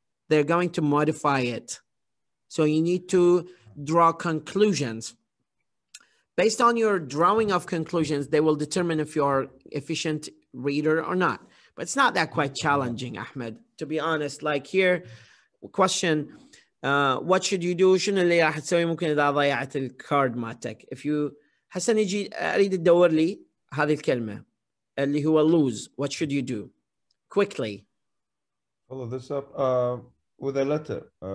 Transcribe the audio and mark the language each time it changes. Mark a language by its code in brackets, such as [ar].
[en] They're going to modify it. So you need to draw conclusions. Based on your drawing of conclusions, they will determine if you are efficient reader or not. But it's not that quite challenging, Ahmed, to be honest. Like here, question, what should you do? [ar] شنو اللي راح تسوي ممكن إذا ضيعت الكارد ماتك? [en] If you, [ar] حسن يجي أريد تدور لي هذه الكلمة اللي هو lose, [en] what should you do? Quickly. Follow this up with a letter.